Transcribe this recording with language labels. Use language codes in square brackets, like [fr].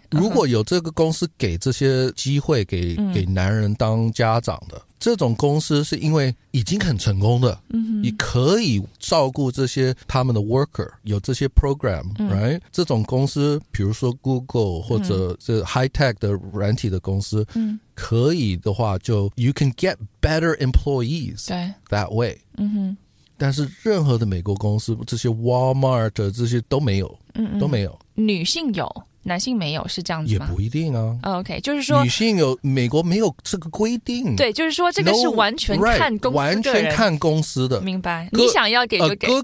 [zh] 嗯、如果有这个公司给这些机会 给男人当家长的这种公司是因为已经很成功的、嗯、哼，你可以照顾这些他们的 worker， 有这些 program、嗯、 right？这种公司比如说 Google 或者这 high tech 的软体的公司、嗯、可以的话就 [en] you can get better employees that way、嗯、哼， [zh] 但是任何的美国公司这些 Walmart 这些都没有，嗯嗯，都没有，女性有男性没有是这样子吗？也不一定啊。 OK， 就是说女性有，美国没有这个规定。对，就是说这个是完全看公司的人， no, right, 完全看公司的。明白？你想要给就给。